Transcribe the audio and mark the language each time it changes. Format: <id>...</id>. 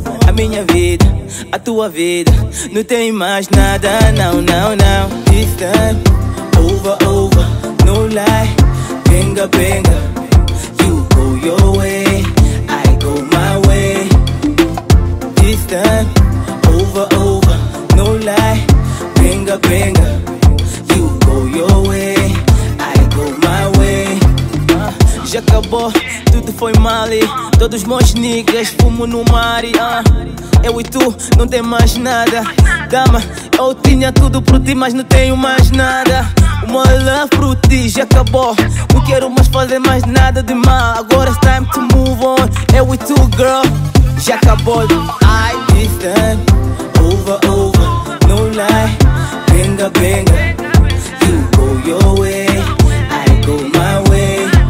<pt>A minha vida, a tua vida, não tem mais nada, não.</pt> <en>This time, over, no lie. Benga, you go your way, I go my way. This time, over, no lie. Benga, you go your way, I go my way.</en> <pt>Já acabou, tudo foi mal e todos meus niggas fumo no mar e eu e tu, não tem mais nada. Dama, eu tinha tudo pro ti, mas não tenho mais nada.</pt> <en>My love</en> <pt>pro ti já acabou. Não quero mais fazer mais nada de mal. Agora</pt> <en>it's time to move on.</en> <pt>Eu e tu, girl, já acabou.</pt> <en>I this time, over, no lie. Benga, you go your way, I go my way.</en>